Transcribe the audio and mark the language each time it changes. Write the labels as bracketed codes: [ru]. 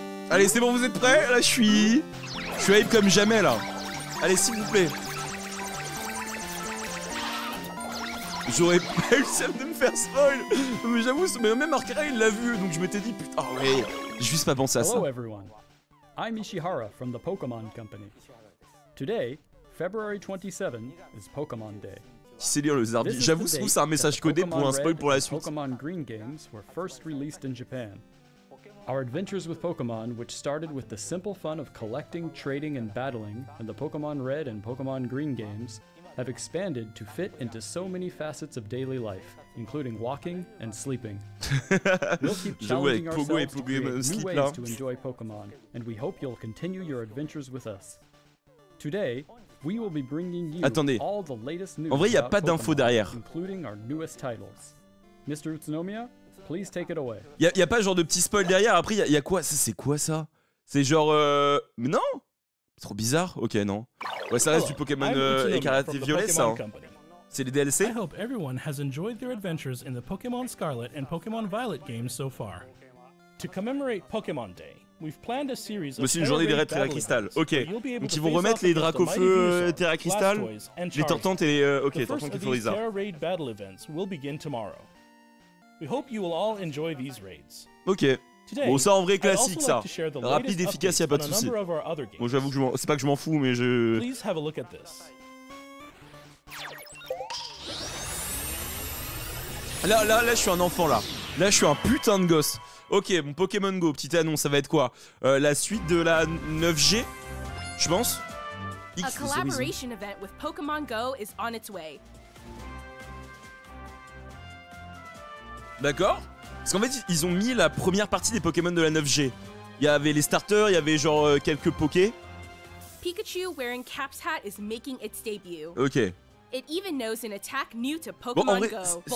[fr] Allez, c'est bon, vous êtes prêts? Là, je suis hype comme jamais, là. Allez, s'il vous plaît. J'aurais pas eu le seum de me faire spoil. Mais j'avoue, même Arkira il l'a vu, donc je m'étais dit putain, oh ouais, j'ai juste pas pensé à ça. [en] Hello everyone, I'm Ishihara from the Pokemon Company. Today, February 27 is Pokemon Day. [fr] Qui sait lire le Zarbi? J'avoue, c'est un message codé pour un spoil pour la suite. [en] Pokemon Green games were first released in Japan. Our adventures with Pokemon, which started with the simple fun of collecting, trading, and battling in the Pokemon Red and Pokemon Green games, have expanded to fit into so many facets of daily life, including walking and sleeping. We'll keep challenging ourselves to create new ways to enjoy Pokemon, and we hope you'll continue your adventures with us. Today, we will be bringing you all the latest news about Pokemon, including our newest titles. Mr. Utsunomiya, please take it away. [fr] Y a pas genre de petit spoil derrière. Après, y a quoi? C'est quoi ça? C'est genre non? C'est trop bizarre. Ok, non. Ouais, ça reste du Pokémon écarlate et violet, ça. Hein. C'est les DLC. [en] I hope everyone has enjoyed their adventures in the Pokémon Scarlet and Pokémon Violet games so far. To commemorate Pokémon Day, we've planned a series of. [fr] Mais c'est une journée des raids Terra Crystal. Ok. Donc ils vont remettre les Dracaufeu Terra Crystal, les Tortantes et les ok, Tortantes qui font les arts. [en] The first of these Terra Raid battle events will begin tomorrow. We hope you will all enjoy these raids. [fr] Ok. Bon, ça en vrai classique, ça. Rapide, efficace, y'a pas de soucis. Bon, j'avoue que c'est pas que je m'en fous, mais je. [en] Please have a look at this. [fr] Là, je suis un enfant, là. Là, je suis un putain de gosse. Ok, bon, Pokémon Go, petite annonce, ça va être quoi? La suite de la 9G, je pense. [en] A collaboration event with Pokémon Go is on its way. [fr] D'accord. Parce qu'en fait, ils ont mis la première partie des Pokémon de la 9G. Il y avait les starters, il y avait genre quelques Poké. [en] Pikachu wearing Cap's hat is making its debut. [fr] Ok. [en] It even knows an attack new to Pokémon Go.